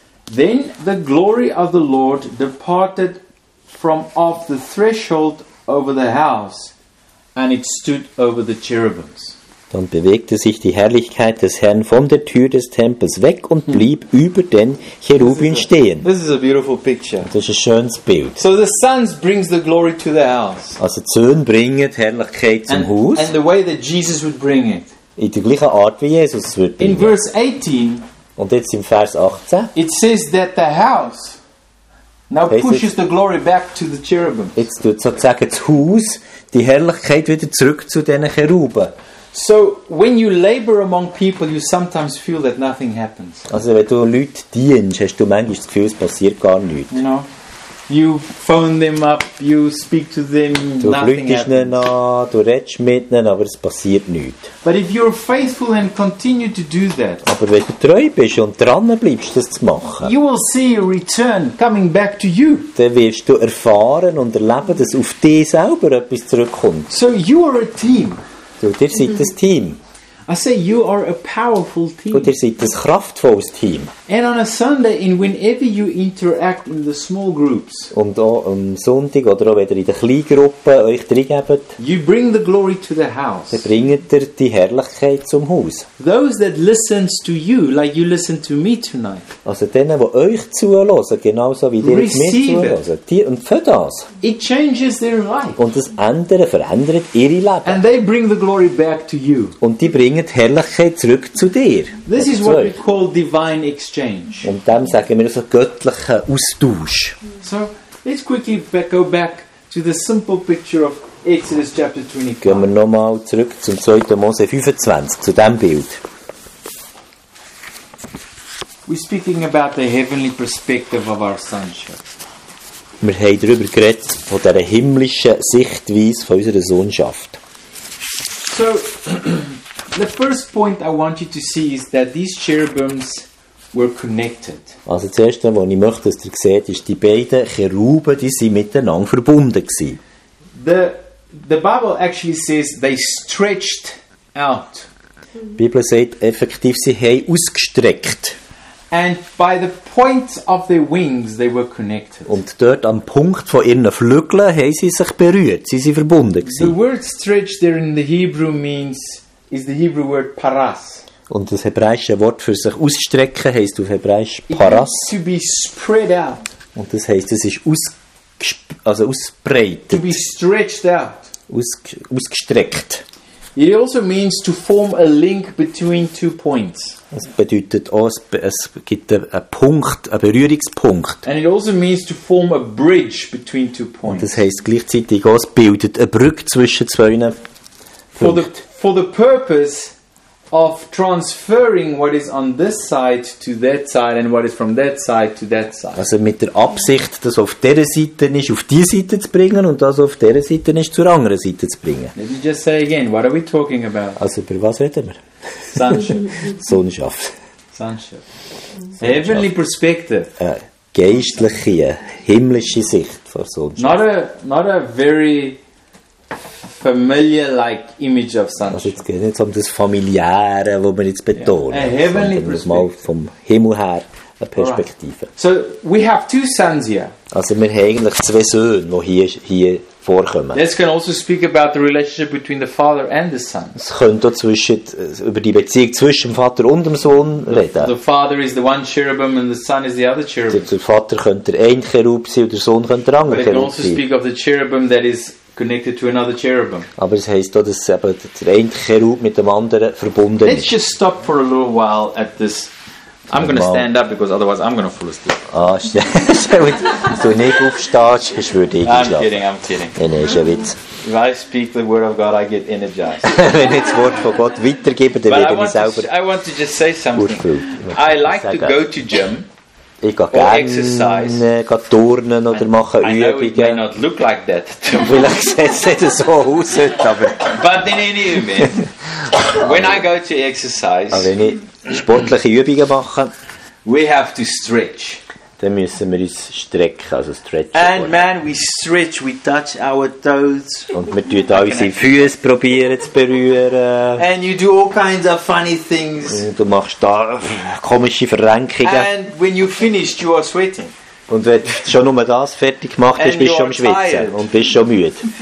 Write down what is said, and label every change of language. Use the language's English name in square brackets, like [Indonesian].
[English] Then the glory of the Lord departed from off the threshold over the house, and it stood over the cherubims. [German] Dann bewegte sich die Herrlichkeit des Herrn von der Tür des Tempels weg und blieb über den Cherubim stehen. [English] This is a beautiful picture. [German] Das ist ein schönes Bild. [English] So the Son brings the glory to the house. [German] Also die Söhne bringen die Herrlichkeit zum Haus. [English] And the way that Jesus would bring it. [German] In der gleichen Art wie Jesus es wird bringen. [English] In verse 18. [German] Und jetzt im Vers 18. [English] It says that the house now pushes the glory back to the cherubim. [German] Jetzt tut sozusagen das Haus die Herrlichkeit wieder zurück zu den Cherubim. [English] So when you labor among people, you sometimes feel that nothing happens. [German] Also wenn du Leute dienst, hast du manchmal das Gefühl, es passiert gar nichts. [English] You know, you phone them up, you speak to them, [German] du [English] nothing happens. [German] Du rufst ihnen an, du redest mit ihnen, aber es passiert nichts. [English] But if you're faithful and continue to do that, [German] aber wenn du treu bist und dran bleibst, das zu machen, [English] you will see a return coming back to you. [German] Dann wirst du erfahren und erleben, dass auf dich selber etwas zurückkommt. [English] So you are a team. [German] Und ihr seid ein Team. [English] I say you are a powerful team. [German] Und ihr seid ein kraftvolles Team. [English] And on a Sunday, in whenever you interact in the small groups. [German] Und auch am Sonntag oder auch wieder in der Kleingruppe euch dringebt. [English] You bring the glory to the house. [German] Dann bringt ihr die Herrlichkeit zum Haus. [English] Those that listen to you, like you listen to me tonight. [German] Also denen, die euch zuhören, genauso wie ihr mir zuhören. Die und für das. [English] It changes their life. [German] Und das andere verändert ihre Leben. [English] And they bring the glory back to you. [German] Und die bringen die Herrlichkeit zurück zu dir. [English] This is what we call divine exchange. [German] Und dem sagen wir so göttlichen Austausch. [English] So, let's quickly go back to the simple picture of Exodus chapter 25. [German] Gehen wir nochmal zurück zum 2. Mose 25, zu dem Bild. [English] We're speaking about the heavenly perspective of our sonship. [German] Wir haben darüber geredet, von dieser himmlischen Sichtweise von unserer Sohnschaft. [English] So, the first point I want you to see is that these cherubims were connected. [German] Also das erste, was ich möchte, dass ihr seht, ist, die beiden Cheruben, die sind miteinander verbunden gewesen. [English] The Bible actually says they stretched out. [German] Die Bibel sagt effektiv, sie haben ausgestreckt. [English] And by the point of their wings, they were connected. [German] Und dort am Punkt von ihren Flügeln haben sie sich berührt, sie sind verbunden gewesen. [English] The word stretched there in the Hebrew means is the Hebrew word paras. [German] Und das hebräische Wort für sich ausstrecken heisst auf Hebräisch paras. [English] To be spread out. [German] Und das heisst, es ist ausbreitet. [English] To be stretched out. [German] Ausgestreckt. [English] It also means to form a link between two points. [German] Es bedeutet auch, es gibt einen Punkt, einen Berührungspunkt. [English] And it also means to form a bridge between two points. [German] Und das heisst gleichzeitig auch, es bildet eine Brücke zwischen zwei Punkten. [English] For the purpose of transferring what is on this side to that side and what is from that side to that side. [German] Also mit der Absicht, das auf dieser Seite ist, auf diese Seite zu bringen und das auf dieser Seite ist, zur anderen Seite zu bringen. [English] Let me just say again, what are we talking about? [German] Also über was reden wir? [English] Sonship. Sonship. Sonship. Heavenly perspective. [German] Geistliche, himmlische Sicht von Sonship. [English] Not a very familiar-like image of sonship. [German] Also jetzt geht es nicht um das Familiäre, wo wir jetzt betonen, [English] yeah. Heavenly sondern perspective. [German] Mal vom Himmel her eine Perspektive. [English] Right. So, we have two sons here. [German] Also wir haben eigentlich zwei Söhne, die hier vorkommen. [English] This can also speak about the relationship between the father and the son. [German] Es könnte auch über die Beziehung zwischen dem Vater und dem Sohn reden. [English] The father is the one cherubim and the son is the other cherubim. [German] Der Vater könnte ein Cherub sein und der Sohn könnte der andere Cherub sein. [English] But it can also speak of the cherubim that is connected to another cherubim. [German] Aber es heisst auch, dass eben der eine Cherub mit dem anderen verbunden ist. Let's just stop for a little while at this. I'm going to stand up because otherwise I'm going to fall asleep. Ah, shit. So nicht aufstehst, würde ich einschlafen. [English] I'm kidding. [German] Nein, ist ein Witz. [English] If I speak the word of God, I get energized. [German] Wenn ich das Wort von Gott weitergebe, dann werde ich selber. [English] I want to just say something. I like to go to gym. [German] Ich gehe gerne turnen oder mache Übungen. [English] I know it may not look like that. [German] Vielleicht sieht es nicht so aus heute, aber... [English] But in any event, when I go to exercise... [German] Aber wenn ich sportliche Übungen mache... [English] We have to stretch. [German] Dann müssen wir uns strecken, also stretchen. [English] And man, we stretch, we touch our toes. [German] Und wir tun auch unsere Füße probieren zu berühren. [English] And you do all kinds of funny things. [German] Und du machst da komische Verrenkungen. [English] And when you finished, you are sweating. [German] Und wenn du schon nur das fertig gemacht hast, bist du schon schwitzen und bist schon müde.